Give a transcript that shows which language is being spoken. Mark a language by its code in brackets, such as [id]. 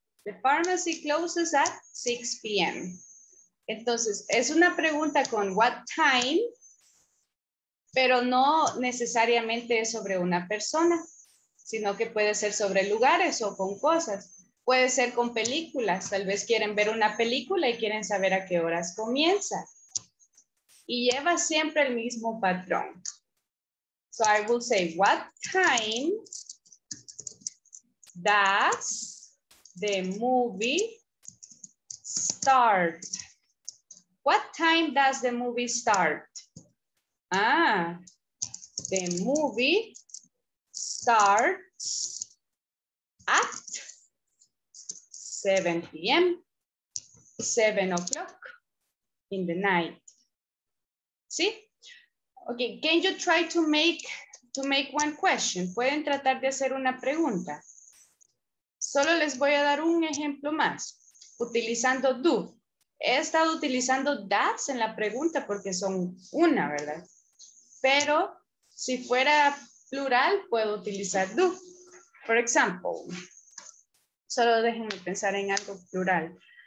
[en] The pharmacy closes at 6 p.m. [es] Entonces, es una pregunta con what time, pero no necesariamente es sobre una persona, sino que puede ser sobre lugares o con cosas. Puede ser con películas, tal vez quieren ver una película y quieren saber a qué horas comienza. Y lleva siempre el mismo patrón. [en] So I will say, what time does the movie start? What time does the movie start? Ah, the movie starts at 7 p.m., 7 o'clock in the night. See? Okay, can you try to make one question? [es] ¿Pueden tratar de hacer una pregunta? Solo les voy a dar un ejemplo más, utilizando do. He estado utilizando does en la pregunta porque son una, ¿verdad? Pero si fuera plural, puedo utilizar do. [en] For example, [es] solo déjenme pensar en algo plural.